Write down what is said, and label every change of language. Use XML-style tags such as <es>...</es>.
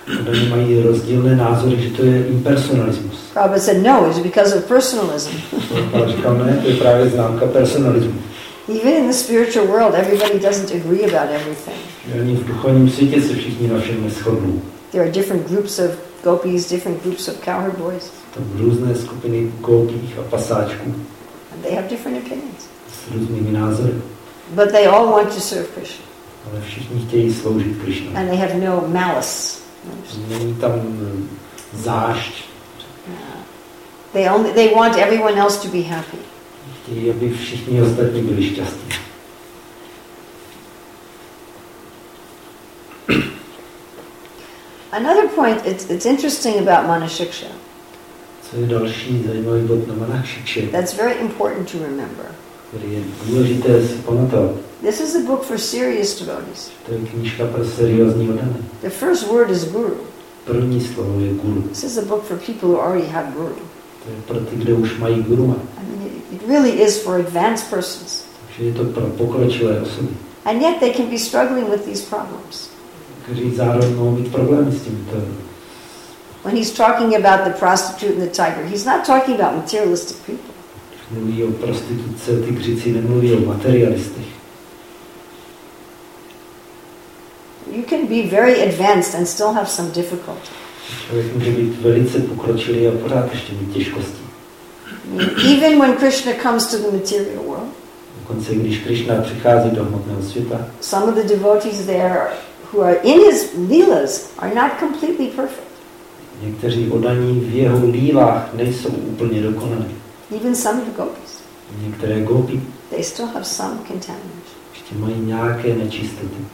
<cs>Oni mají rozdílné názory, že to je impersonalismus.</cs> <en>Prabhupada said, no, it's because of personalism.</en> <cs>Říkal, to je právě známka personalismu.</cs> <en>Even in the spiritual world, everybody doesn't agree about everything.</en> <cs>Ani v duchovním světě se všichni na všem neshodnou.</cs> <en>There are different groups of gopis, different groups of cowherd boys.</en> <cs>Tam různé skupiny gopích a pasáčků.</cs> <en>And they have different opinions.</en> <cs>S různými názory.</cs> <en>But they all want to serve Krishna.</en> <cs>Ale všichni chtějí sloužit Krishna.</cs> <en>And they have no malice.</en> <cs>Není tam zášť.</cs> <en>They want everyone else to be happy.</en> <cs>Chtějí, aby všichni ostatní byli šťastní.</cs> <en>Another point, it's interesting about Manashiksha.</en> <cs>Co je další zajímavý bod na Manashikše?</cs> <en>That's very important to remember.</en> <cs>Který je důležité si pamatovat.</cs> <en>This is a book for serious devotees.</en> <cs>To je knížka pro seriózní oddané.</cs> <en>The first word is guru.</en> <cs>První slovo je guru.</cs> <en>This is a book for people who already have guru.</en> <cs>To je pro ty, kde už mají guru.</cs> <en>I mean, it really is for advanced persons.</en> <cs>Takže je to pro pokročilé osoby.</cs> <en>And yet they can be struggling with these problems.</en> <cs>Kteří zároveň mohou mít problémy s tímto.</cs> <en>When he's talking about the prostitute and the tiger, he's not talking about materialistic people.</en> <cs>Mluví o prostituce, tygřici, nemluví o materialistech.</cs> <en>You can be very advanced and still have some difficulty.</en> <cs>Člověk může být velice pokročilý a pořád ještě mít těžkosti.</cs> <en>Even when Krishna comes to the material world.</en> <cs>Dokonce když Krishna přichází do hmotného světa.</cs> <en>Some of the devotees there who are in his lilas are not completely perfect.</en> <cs>Někteří oddaní v jeho lílách nejsou úplně dokonalí.</cs> <en>Even some of the gopis.</en> <cs>Některé gopi.</cs> <en>They still have some contamination.</en> <cs>Ještě mají nějaké nečistoty.</cs>